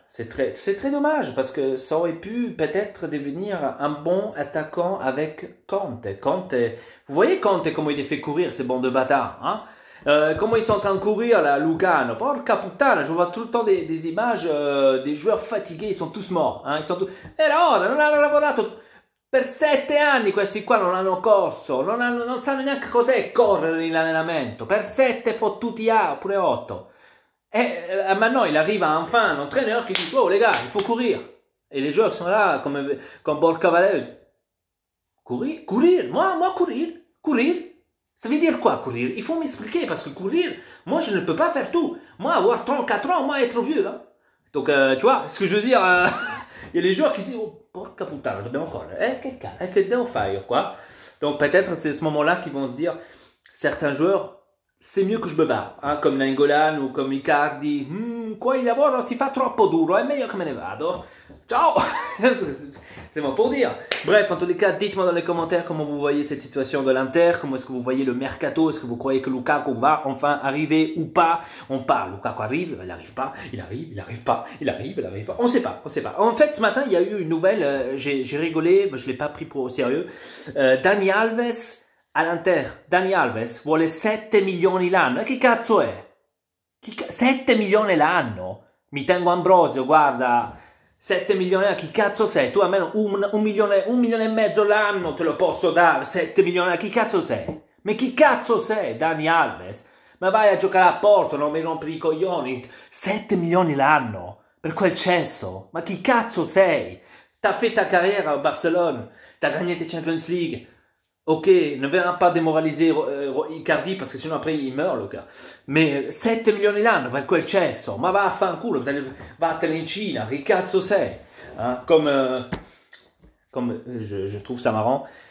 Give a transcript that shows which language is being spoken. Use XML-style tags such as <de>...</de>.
<fr>C'est très dommage parce que ça aurait pu peut-être devenir un bon attaquant avec Conte. Conte, vous voyez Conte comment il est fait courir, ces bandes de bâtards, hein? Comment ils sont en train de courir là, à Lugano?</fr> <it>Porca puttana,</it> <fr>je vois tout le temps des images des joueurs fatigués, ils sont tous morts. Hein, ils sont tous. Et là,</fr> <it>non hanno lavorato per 7 anni, questi qua non hanno corso, non sanno neanche cos'è correre in allenamento, per 7 fottuti anni, oppure 8.</it> <fr>Ma non, il arrive à enfin un entraîneur qui dit: Oh les gars, il faut courir. Et les joueurs sont là, comme Borcavalle. Courir, courir, moi courir, courir. Ça veut dire quoi courir? Il faut m'expliquer parce que courir, moi je ne peux pas faire tout. Moi avoir 34 ans, moi être vieux. Hein. Donc tu vois, ce que je veux dire, il y a les joueurs qui se disent:</fr> <it>Oh porca puttana, dobbiamo correre. Che devo fare,</it> <fr>quoi? Donc peut-être c'est ce moment-là qu'ils vont se dire: Certains joueurs, c'est mieux que je me barre, hein, comme Nainggolan ou comme Icardi. Quoi,</fr> <it>il lavoro si fa troppo duro, è meglio che me ne vado.</it> <fr>Ciao! C'est bon pour dire. Bref, en tous les cas, dites-moi dans les commentaires comment vous voyez cette situation de l'Inter, comment est-ce que vous voyez le mercato, est-ce que vous croyez que Lukaku va enfin arriver ou pas? On parle. Lukaku arrive, il n'arrive pas, il arrive, il n'arrive pas, il arrive, il n'arrive pas. On ne sait pas, on ne sait pas. En fait, ce matin, il y a eu une nouvelle, j'ai rigolé, mais je ne l'ai pas pris pour au sérieux. Dani Alves à l'Inter.</fr> <it>Dani Alves vuole 7 milioni l'anno. Che cazzo è? 7 milioni l'anno? Mi tengo Ambrosio, guarda. 7 milioni, a chi cazzo sei? Tu almeno un milione e mezzo l'anno te lo posso dare. 7 milioni, a chi cazzo sei? Ma chi cazzo sei, Dani Alves? Ma vai a giocare a Porto, non mi rompi i coglioni. 7 milioni l'anno per quel cesso? Ma chi cazzo sei? T'ha fatta carriera a Barcellona, t'ha gagnato Champions League.</it> <fr>Ok, ne verrà pas démoraliser Icardi parce que sinon après il meurt le gars. Mais</fr> <it>7 milioni l'anno per quel cesso? Ma va a fare un culo, vattene in Cina, che cazzo sei?</it> <fr>Hein? Comme, comme je trouve ça marrant.</fr>